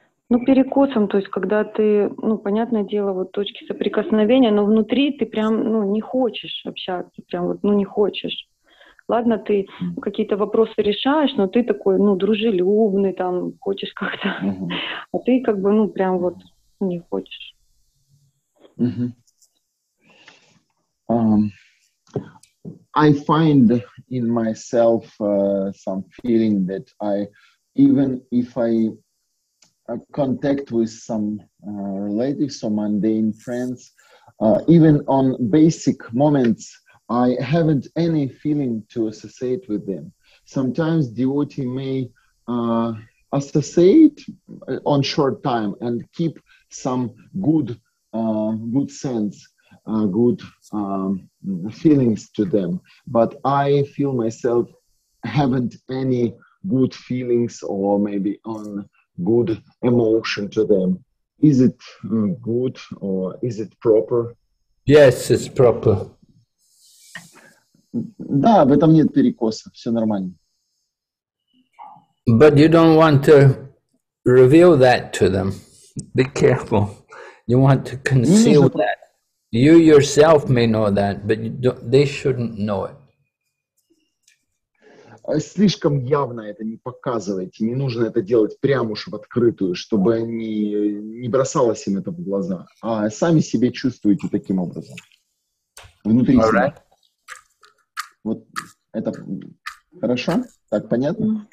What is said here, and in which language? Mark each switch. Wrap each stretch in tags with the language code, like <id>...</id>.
<ru>Ну, перекосом, то есть, когда ты, ну, понятное дело, вот точки соприкосновения, но внутри ты прям, ну, не хочешь общаться, прям вот, ну, не хочешь. Ладно, ты какие-то вопросы решаешь, но ты такой, ну, дружелюбный, там, хочешь как-то, а ты как бы, ну, прям вот, не хочешь.</ru> <en>I find in myself some feeling that I, even if I contact with some relatives or mundane friends, even on basic moments, I haven't any feeling to associate with them. Sometimes devotee may associate on short time and keep some good sense, good feelings to them. But I feel myself haven't any good feelings or maybe on good emotion to them. Is it good or is it proper? Yes, it's proper.</en> <ru>Да, в этом нет перекоса, все нормально.</ru> <en>But you don't want to reveal that to them. Be careful. You want to conceal that. You yourself may know that, but you don't, they shouldn't know it.</en> <ru>Слишком явно это не показывайте, не нужно это делать прямо уж в открытую, чтобы не бросалось им это в глаза, а сами себе чувствуете таким образом. Внутри себя. Вот это хорошо? Так, понятно?</ru>